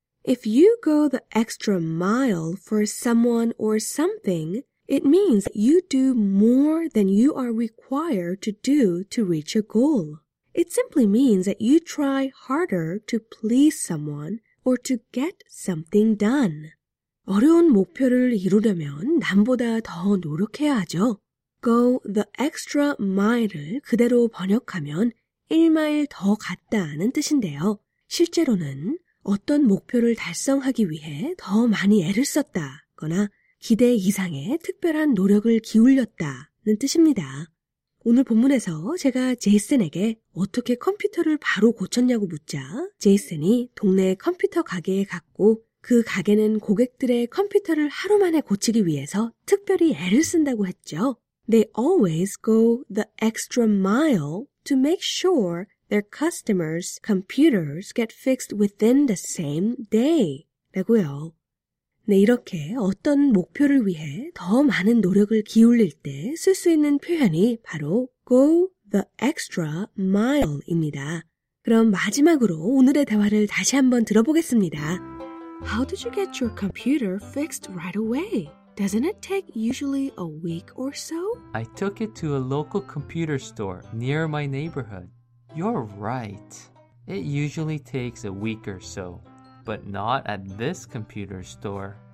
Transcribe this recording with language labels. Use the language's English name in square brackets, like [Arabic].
[English] If you go the extra mile for someone or something, it means you do more than you are required to do to reach a goal. It simply means that you try harder to please someone or to get something done. [Korean] 어려운 목표를 이루려면 남보다 더 노력해야 하죠. [English] Go the extra mile [Korean] 을 그대로 번역하면 1마일 더 갔다는 뜻인데요. 실제로는 어떤 목표를 달성하기 위해 더 많이 애를 썼다거나 기대 이상의 특별한 노력을 기울였다는 뜻입니다. 오늘 본문에서 제가 제이슨에게 어떻게 컴퓨터를 바로 고쳤냐고 묻자 제이슨이 동네 컴퓨터 가게에 갔고 그 가게는 고객들의 컴퓨터를 하루 만에 고치기 위해서 특별히 애를 쓴다고 했죠. [English] They always go the extra mile to make sure their customers' computers get fixed within the same day. [Korean] 라고요. 네, 이렇게 어떤 목표를 위해 더 많은 노력을 기울일 때 쓸 수 있는 표현이 바로 [English] go the extra mile [Korean] 입니다. 그럼 마지막으로 오늘의 대화를 다시 한번 들어보겠습니다. [English] How did you get your computer fixed right away? Doesn't it take usually a week or so? I took it to a local computer store near my neighborhood. You're right. It usually takes a week or so, but not at this computer store.